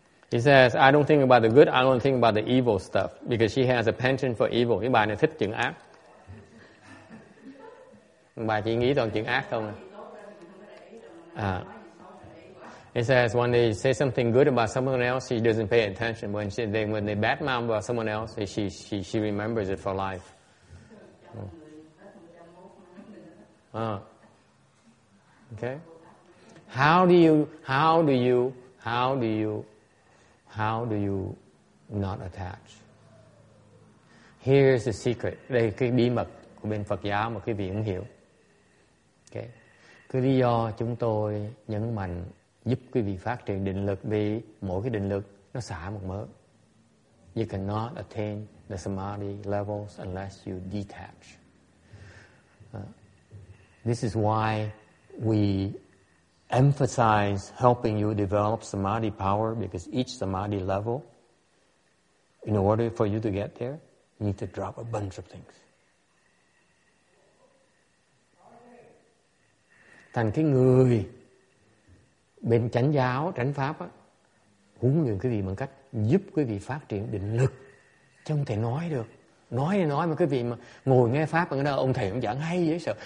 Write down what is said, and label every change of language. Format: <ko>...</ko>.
<en>He says, I don't think about the good, I don't think about the evil stuff. Because she has a penchant for evil.</en> <vi>Cái bà này thích chuyện ác. Bà chỉ nghĩ toàn chuyện ác không.</vi> <en>He says, when they say something good about someone else, she doesn't pay attention. When they badmouth about someone else, she remembers it for life. Okay. How do you not attach? Here's the secret.</en> <vi>Đây cái bí mật của bên Phật giáo mà quý vị không hiểu.</vi> <en>Okay.</en> <vi>Cái lý do chúng tôi nhấn mạnh giúp quý vị phát triển định lực vì mỗi cái định lực nó xả một mớ.</vi> <en>You cannot attain the samadhi levels unless you detach. This is why we emphasize helping you develop samadhi power, because each samadhi level, in order for you to get there, you need to drop a bunch of things.</en> <vi>Thành cái người bên chánh giáo, chánh pháp á, huấn luyện quý vị bằng cách giúp quý vị phát triển định lực. Chứ không thể nói được. Nói thì nói mà quý vị mà ngồi nghe pháp ở đó, ông thầy cũng giảng hay dễ sợ.</vi>